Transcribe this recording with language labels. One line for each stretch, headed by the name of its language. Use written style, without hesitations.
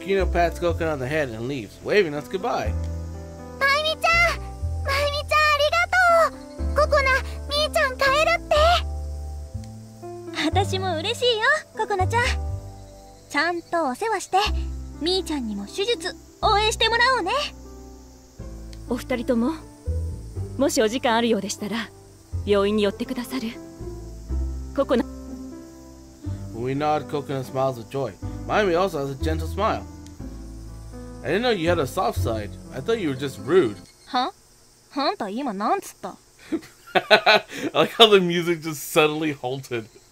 English: 雪乃 pats Kokuna on the head and leaves, waving us goodbye.
Japanese: まいみちゃん、まいみちゃんありがとう。ココナ、みーちゃん帰るって。私も嬉しいよ、ココナちゃん。ちゃんとお世話して、みーちゃんにも手術、応援してもらおうね。お二人とも、もしお時間あるようでしたら、病院に寄ってくださる。ココナ。
English: When we nod, Kokuna smiles with joy. Maimi also has a gentle smile. I didn't know you had a soft side. I thought you were just rude.
Japanese: Huh? あんた今なんつった
English: I like how the music just suddenly halted.